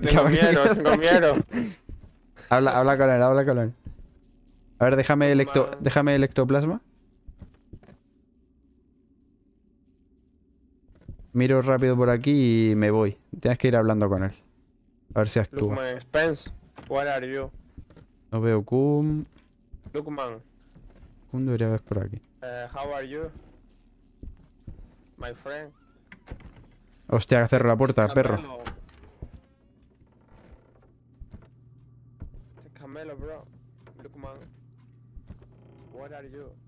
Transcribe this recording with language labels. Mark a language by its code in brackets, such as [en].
[es] Tengo miedo. Habla con él. A ver, déjame el ectoplasma. Miro rápido por aquí y me voy. Tienes que ir hablando con él. A ver si actúa. [en] Lukman, Spence, where are you? [es] No veo Kum. Lukman. Kum debería ver por aquí. [en] How are you? My friend. [es] Hostia, que cerro la puerta, Camelo. Perro. [en] Camelo, bro. Lukman. Where are you?